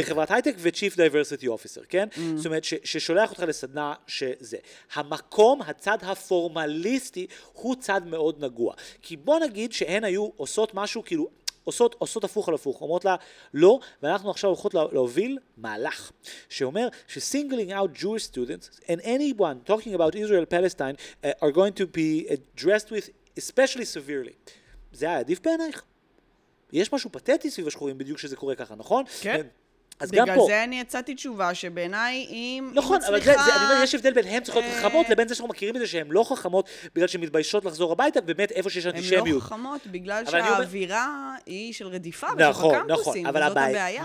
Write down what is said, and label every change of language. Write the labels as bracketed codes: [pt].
[he] בחברת הייטק ו- [en] chief diversity officer, [he] כן? Mm-hmm. זאת אומרת, ששולח אותך לסדנה שזה. המקום, הצד הפורמליסטי, הוא צד מאוד נגוע. כי בוא נגיד שהן היו עושות משהו כאילו... עושות הפוך על הפוך, אומרות לה, לא, ואנחנו עכשיו הולכות להוביל מהלך, שאומר [en] ש-singling out Jewish students and anyone talking about Israel-Palestine are going to be addressed with especially severely. [he] זה היה עדיף בעינייך? יש משהו פתטי סביב השחורים בדיוק שזה קורה ככה, נכון? כן. אז גם פה. בגלל זה אני יצאתי תשובה שבעיניי אם... נכון, אבל אני אומר, יש הבדל בין הם צריכות להיות חכמות לבין זה שאנחנו מכירים את זה שהן לא חכמות בגלל שהן מתביישות לחזור הביתה, באמת איפה שיש אנטישמיות. הן לא חכמות בגלל שהאווירה היא של רדיפה בתוך הקמפוסים, וזאת הבעיה.